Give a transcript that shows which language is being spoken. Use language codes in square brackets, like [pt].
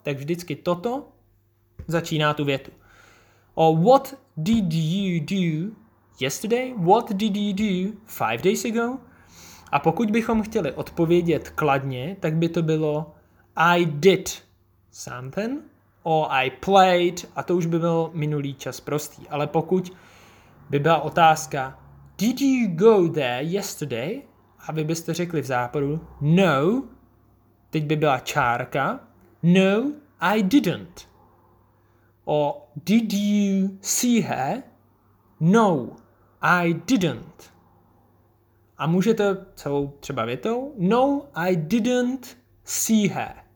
[cs] Tak vždycky toto začíná tu větu. [en] Or what did you do yesterday? What did you do 5 days ago? [cs] A pokud bychom chtěli odpovědět kladně, tak by to bylo [en] I did something. Or I played, [cs] a to už by byl minulý čas prostý. Ale pokud by byla otázka, [en] did you go there yesterday? [cs] A vy byste řekli v záporu, no, teď by byla čárka, [en] no, I didn't. Or did you see her? No, I didn't. [cs] A můžete celou třeba větou, [en] no, I didn't see her.